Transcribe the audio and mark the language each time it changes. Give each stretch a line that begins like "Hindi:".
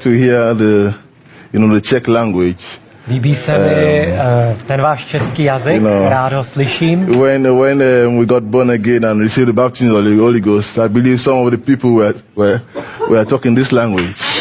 English: to hear the Czech language.
Czech: Líbí se mi ten váš český jazyk, rád ho slyším.
English: When we got born again and received the baptism of the Holy Ghost, I believe some of the people were talking this language.